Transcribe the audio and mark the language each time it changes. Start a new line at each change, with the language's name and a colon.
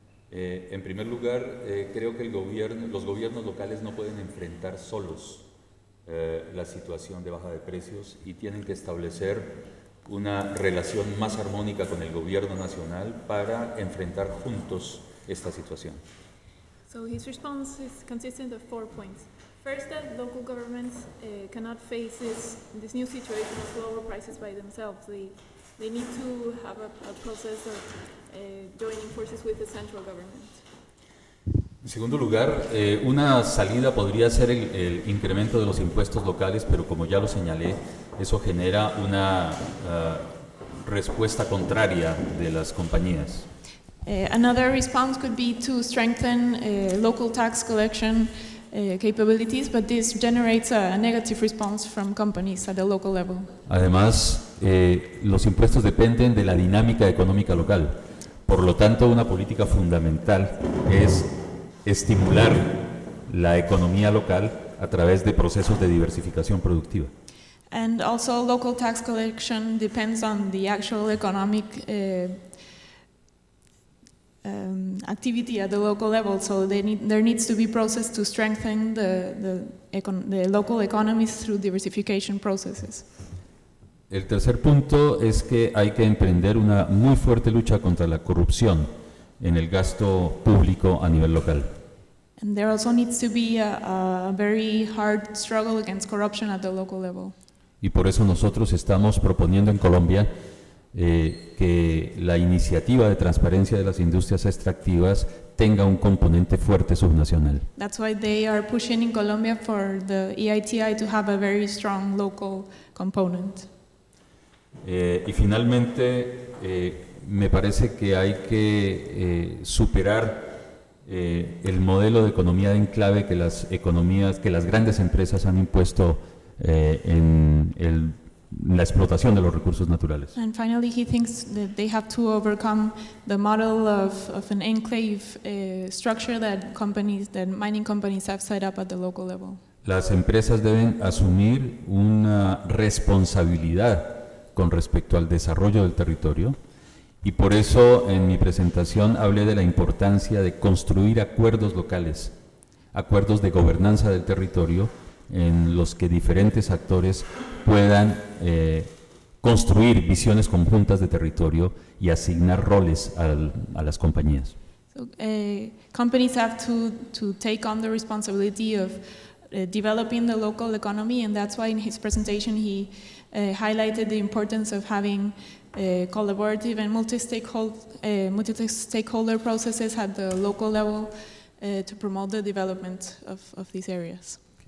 Spanish: En primer lugar, creo que los gobiernos locales no pueden enfrentar solos la situación de baja de precios y tienen que establecer una relación más armónica con el gobierno nacional para enfrentar juntos esta situación.
English: So his response is consistent of four points. First, that local governments cannot face this new situation of lower prices by themselves. They need to have a process of joining forces with the central government.
Spanish: En segundo lugar, una salida podría ser el incremento de los impuestos locales, pero como ya lo señalé, eso genera una respuesta contraria de las compañías.
English: Another response could be to strengthen local tax collection capabilities, but this generates a negative response from companies at the local level.
Spanish: Además, los impuestos dependen de la dinámica económica local. Por lo tanto, una política fundamental es estimular la economía local a través de procesos de diversificación productiva.
English: And also local tax collection depends on the actual economic activity at the local level, so there needs to be process to strengthen the local economies through diversification processes.
Spanish: El tercer punto es que hay que emprender una muy fuerte lucha contra la corrupción en el gasto público a nivel local.
English: And there also needs to be a very hard struggle against corruption at the local level.
Spanish: Y por eso nosotros estamos proponiendo en Colombia que la iniciativa de transparencia de las industrias extractivas tenga un componente fuerte subnacional.
English: That's why they are pushing in Colombia for the EITI to have a very strong local component.
Spanish: Y finalmente, me parece que hay que superar el modelo de economía de enclave que las grandes empresas han impuesto en la explotación de los recursos naturales.
English: And finally, he thinks that they have to overcome the model of an enclave structure that companies, that mining companies have set up at the local level.
Spanish: Las empresas deben asumir una responsabilidad con respecto al desarrollo del territorio. Y por eso, en mi presentación, hablé de la importancia de construir acuerdos locales, acuerdos de gobernanza del territorio, en los que diferentes actores puedan construir visiones conjuntas de territorio y asignar roles a las compañías.
English: So, companies have to take on the responsibility of developing the local economy, and that's why in his presentation he highlighted the importance of having collaborative and multi-stakeholder processes at the local level to promote the development of these areas.